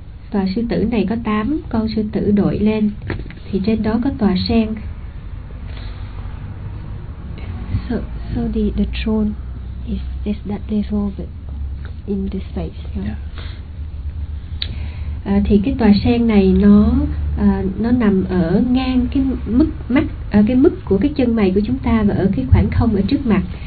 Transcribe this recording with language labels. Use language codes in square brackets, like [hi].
[vi] Tòa sư tử này có 8 con sư tử đội lên, thì trên đó có tòa sen. [en] So the throne is that level in this space. Yeah. [vi] Thì cái tòa sen này nó nằm ở ngang cái mức mắt, ở cái mức của cái chân mày của chúng ta và ở cái khoảng không ở trước mặt.